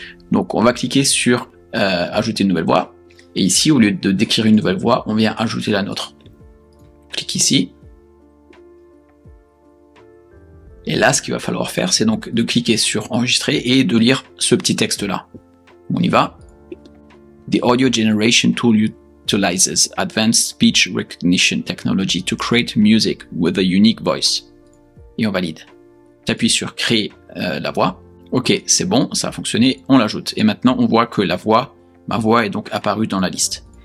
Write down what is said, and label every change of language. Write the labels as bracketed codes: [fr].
[fr] Donc on va cliquer sur ajouter une nouvelle voix. Et ici, au lieu de décrire une nouvelle voix, on vient ajouter la nôtre. Clique ici. Et là, ce qu'il va falloir faire, c'est donc de cliquer sur enregistrer et de lire ce petit texte-là. On y va. [en] The audio generation tool utilizes advanced speech recognition technology to create music with a unique voice. [fr] Et on valide. T'appuies sur créer la voix. Ok, c'est bon, ça a fonctionné, on l'ajoute. Et maintenant, on voit que ma voix est donc apparue dans la liste.